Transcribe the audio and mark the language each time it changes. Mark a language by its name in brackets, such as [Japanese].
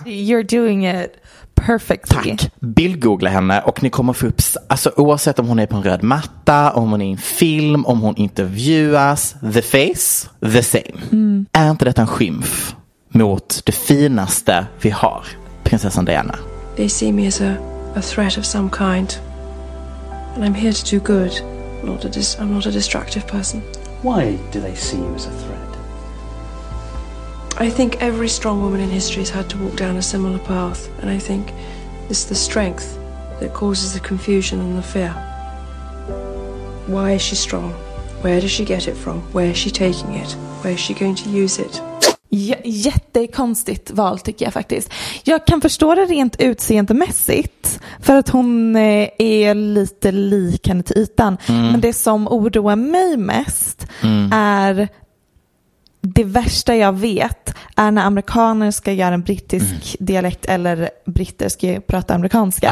[English] You're doing it. Perfectly. [Swedish] Tack, bildgoogla henne och ni kommer få upp, alltså oavsett om hon är på en röd matta, om hon är i en film, om hon intervjuas, [English] the face, the same. Mm. [Swedish] Är inte detta en skymf mot det finaste vi har, prinsessan Diana? [English] They see me as a threat of some kind. And I'm here to do good. I'm not a destructive person. Why do they see you as a threat? I think every strong woman in history has had to walk down a similar path, and I think it's the strength that causes the confusion and the fear. Why is she strong? Where does she get it from? Where is she taking it? Where is she going to use it? [Swedish] Jättekonstigt val tycker jag faktiskt. Jag kan förstå det rent utseendemässigt för att hon är lite lik henne till ytan. Mm. Men det som oroar mig mest är det värsta jag vet är när amerikaner ska göra en brittisk dialekt eller britter ska prata amerikanska.